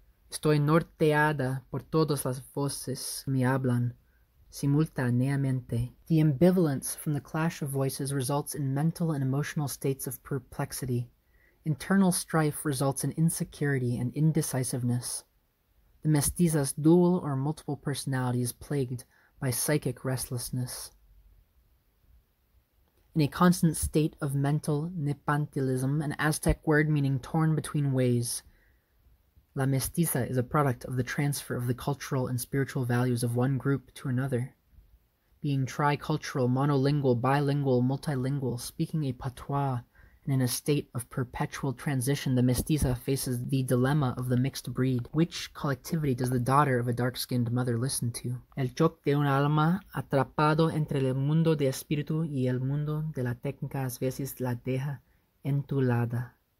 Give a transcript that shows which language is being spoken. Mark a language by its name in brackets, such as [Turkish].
[Spanish] Estoy norteada por todas las voces que me hablan simultáneamente. [English] The ambivalence from the clash of voices results in mental and emotional states of perplexity. Internal strife results in insecurity and indecisiveness. The mestiza's dual or multiple personality is plagued by psychic restlessness. In a constant state of mental nepantilism, an Aztec word meaning torn between ways, la mestiza is a product of the transfer of the cultural and spiritual values of one group to another. Being tricultural, monolingual, bilingual, multilingual, speaking a patois, and in a state of perpetual transition, the mestiza faces the dilemma of the mixed breed. Which collectivity does the daughter of a dark-skinned mother listen to? [Spanish] El choque de un alma atrapado entre el mundo de espíritu y el mundo de la técnica a veces la deja entulada.